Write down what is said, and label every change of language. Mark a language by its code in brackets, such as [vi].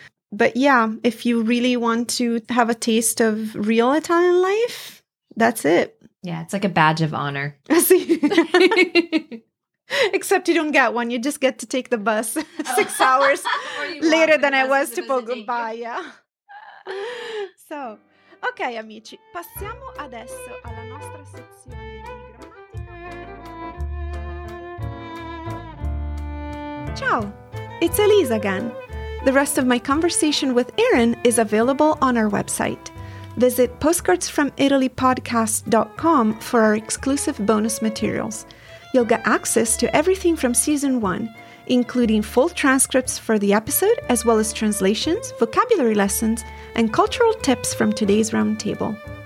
[en] But yeah, if you really want to have a taste of real Italian life, that's it. Yeah, it's like a badge of honor. Except you don't get one. You just get to take the bus 6 hours later than I was to go goodbye. Yeah. So, [it] Ok, amici, passiamo adesso alla nostra sezione di grammatica. [en] Ciao, it's Elise again. The rest of my conversation with Erin is available on our website. Visit postcardsfromitalypodcast.com for our exclusive bonus materials. You'll get access to everything from season one, including full transcripts for the episode, as well as translations, vocabulary lessons, and cultural tips from today's roundtable.